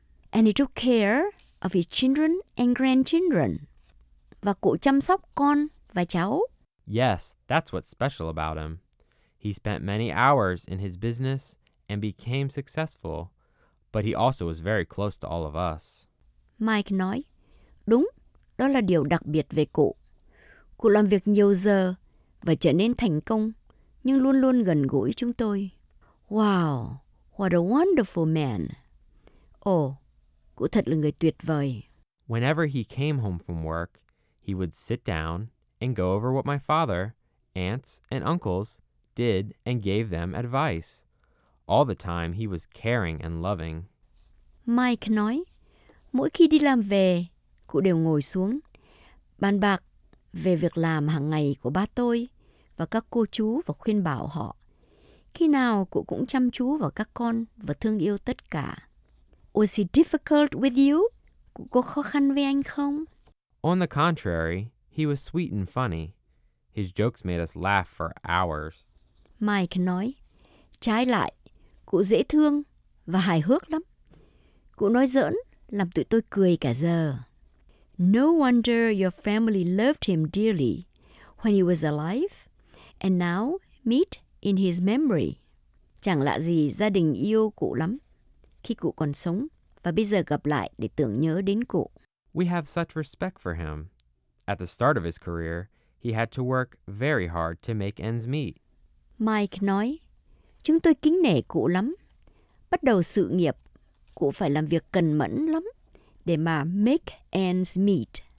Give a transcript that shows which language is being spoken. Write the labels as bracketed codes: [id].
[en] And he took care of his children and grandchildren. [vi] Và cụ chăm sóc con và cháu. [en] Yes, that's what's special about him. He spent many hours in his business and became successful. But he also was very close to all of us. [vi] Mike nói, đúng, đó là điều đặc biệt về cụ. Cụ làm việc nhiều giờ và trở nên thành công, nhưng luôn luôn gần gũi chúng tôi. [en] Wow, what a wonderful man. [vi] Oh, cụ thật là người tuyệt vời. [en] Whenever he came home from work, he would sit down and go over what my father, aunts, and uncles did and gave them advice. All the time, he was caring and loving. [vi] Mike nói, mỗi khi đi làm về, cụ đều ngồi xuống, bàn bạc về việc làm hàng ngày của ba tôi và các cô chú và khuyên bảo họ. Khi nào, cụ cũng chăm chú vào các con và thương yêu tất cả. [en] Was he difficult with you? [vi] Cụ có khó khăn với anh không? [en] On the contrary, he was sweet and funny. His jokes made us laugh for hours. [vi] Mike nói, trái lại, cụ dễ thương và hài hước lắm. Cụ nói giỡn, làm tụi tôi cười cả giờ. [en] No wonder your family loved him dearly when he was alive and now meet in his memory. [vi] Chẳng lạ gì gia đình yêu cụ lắm khi cụ còn sống và bây giờ gặp lại để tưởng nhớ đến cụ. [en] We have such respect for him. At the start of his career, he had to work very hard to make ends meet. [vi] Mike nói, chúng tôi kính nể cụ lắm. Bắt đầu sự nghiệp, cụ phải làm việc cần mẫn lắm để mà [en] make ends meet.